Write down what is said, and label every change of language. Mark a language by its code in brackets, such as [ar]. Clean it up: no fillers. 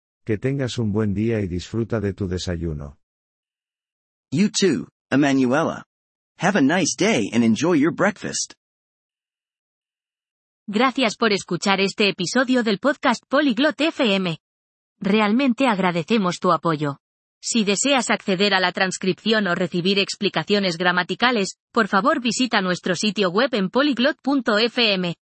[es] Que tengas un buen día y disfruta de tu desayuno. [en] You too, Emanuela. Have a nice day and enjoy your breakfast. [es] Gracias por escuchar este episodio del podcast Polyglot FM. Realmente agradecemos tu apoyo. Si deseas acceder a la transcripción o recibir explicaciones gramaticales, por favor visita nuestro sitio web en polyglot.fm.